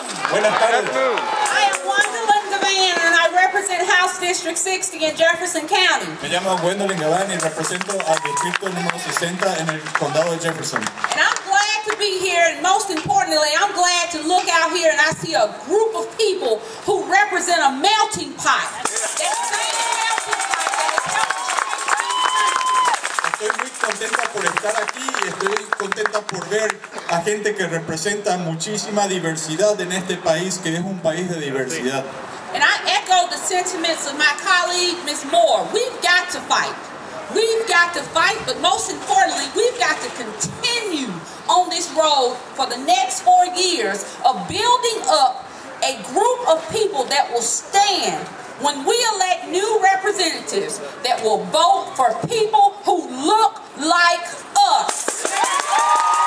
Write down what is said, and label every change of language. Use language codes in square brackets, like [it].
[es] Buenas tardes. [en] District 60 in Jefferson County. [es] Me llamo Gwendolyn Galán y represento al distrito número 60 en el condado de Jefferson. [en] And I'm glad to be here, and most importantly, I'm glad to look out here and I see a group of people who represent a melting pot. That's the same melting pot that is helping. [es] Estoy muy contenta por estar aquí y estoy contenta por ver a gente que representa muchísima diversidad en este país, que es un país de diversidad. [en] And I echo the sentiments of my colleague, Ms. Moore. We've got to fight. We've got to fight, but most importantly, we've got to continue on this road for the next 4 years of building up a group of people that will stand when we elect new representatives that will vote for people who look like us.